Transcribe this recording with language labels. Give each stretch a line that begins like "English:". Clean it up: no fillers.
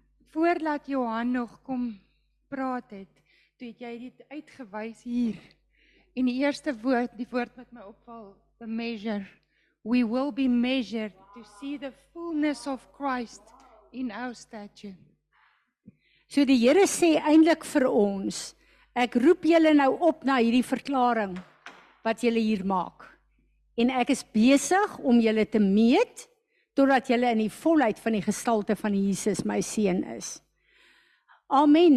Afrikaans: Voordat Johan nog kom praat het, toe het jy dit uitgewys hier. En die eerste woord, die woord wat my opval,
English: the measure. We will be measured to see the fullness of Christ in our stature.
Afrikaans: So die Here sê eintlik vir ons, ek roep julle nou op na hierdie verklaring wat julle hier maak. En ek is besig om julle te meet totdat jy in die volheid van die gestalte van Jesus my seun is. Amen.